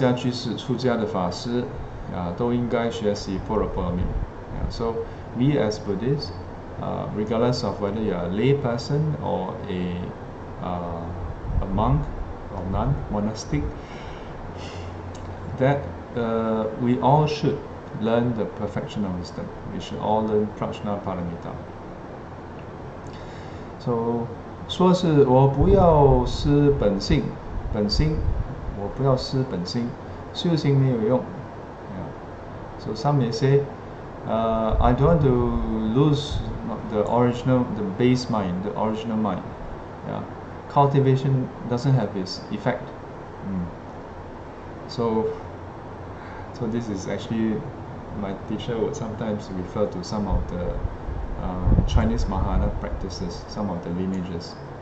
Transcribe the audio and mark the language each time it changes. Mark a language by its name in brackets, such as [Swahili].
[Chinese] 所以我们佛教徒不管是在家居士出家的法师 都应该学习般若波罗蜜. [English] So we as Buddhists, regardless of whether you are a lay person or a monk or nun, monastic, that we all should learn the perfection of wisdom. We should all learn Prajna Paramita. [Chinese] So 说是我不要失本性，我不要失本性，修行没有用. [English] Yeah. So some may say, I don't want to lose the original, the base mind, the original mind. Yeah. cultivation doesn't have its effect. So this is actually, my teacher would sometimes refer to some of the Chinese Mahayana practices, some of the lineages.